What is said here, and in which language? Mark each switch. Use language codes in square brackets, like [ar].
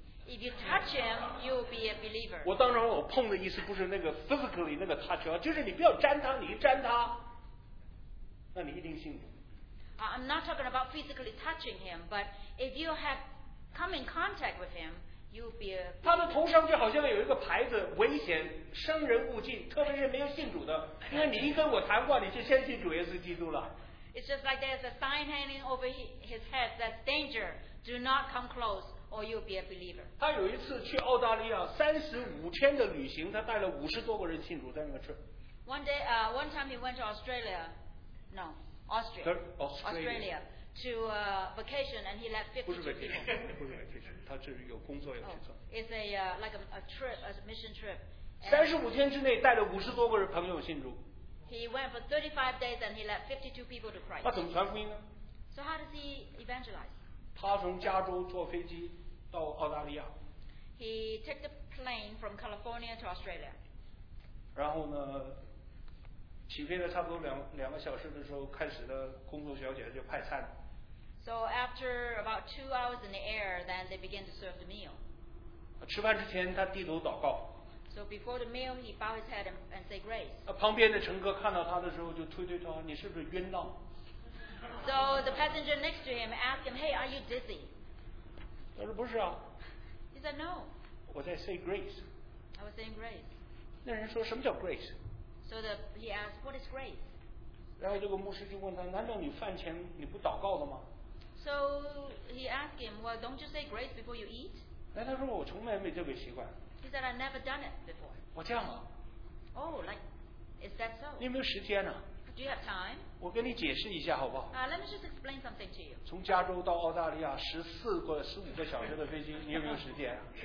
[en] If you touch him, you'll be a believer. [zh] 我当然，我碰的意思不是那个 physically 那个 touch 啊，就是你不要沾他，你一沾他，那你一定信主。 [en] I'm not talking about physically touching him, but if you have come in contact with him, you'll be a. [zh] 他的头上就好像有一个牌子，危险，生人勿近，特别是没有信主的，因为你一跟我谈话，你就先信主耶稣基督了。 [en] It's just like there's a sign hanging over his head that danger, do not come close. Or you'll be a believer. [zh] 他有一次去澳大利亚35天的旅行，他带了50多个人信主，在那个church。 [en] One time he went to Australia, no, Austria, Australia to vacation, and he left 52 people. [zh] 不是 vacation， 他这是有工作要去做。 [en] Oh, it's a trip, a mission trip. [zh] 35天之内带了50多个人朋友信主。 [en] He went for 35 days and he left 52 people to Christ. [zh] 他怎么传福音呢 [en] ？So how does he evangelize? [zh] 他从加州坐飞机到澳大利亚。 [en] He took the plane from California to Australia. [zh] 然后呢，起飞了差不多两个小时的时候，开始了工作小姐就派餐。 [en] So after about 2 hours in the air, then they began to serve the meal. [zh] 吃饭之前，他低头祷告。 [en] So before the meal, he bowed his head and say grace. [zh] 旁边的乘客看到他的时候，就推推他，你是不是晕倒？ [en] So the passenger next to him asked him, "Hey, are you dizzy?" [zh] 他说不是啊。 [en] He said no. [zh] 我在 [en] say grace. I was saying grace. [zh] 那人说什么叫 grace? [en] So he asked, "What is grace?" [zh] 然后这个牧师就问他，难道你饭前你不祷告了吗？ [en] So he asked him, "Well, don't you say grace before you eat?" [zh] 那他说我从来没这个习惯。 [en] He said, "I never done it before." [zh] 我这样啊。 [en] Oh, like is that so? [zh] 你有没有时间啊？ [en] Do you have time? [zh] 我跟你解释一下好不好？ [en] Let me just explain something to you. [zh] 从加州到澳大利亚14或15个小时的飞机，你有没有时间？